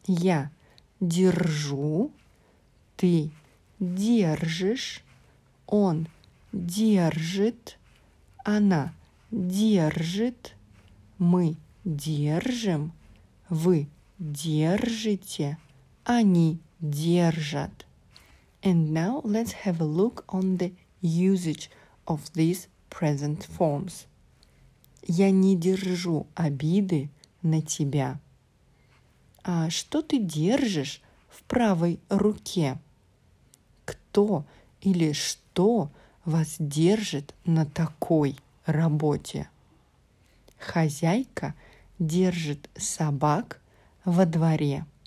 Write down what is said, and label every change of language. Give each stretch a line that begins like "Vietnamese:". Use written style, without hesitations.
Russian: Я держу, ты держишь, он держит, она держит, мы держим, вы держите, они держат.
English: And now let's have a look on the usage of these present forms.
Russian: Я не держу обиды на тебя. А что ты держишь в правой руке? Кто или что вас держит на такой работе? Хозяйка держит собак во дворе.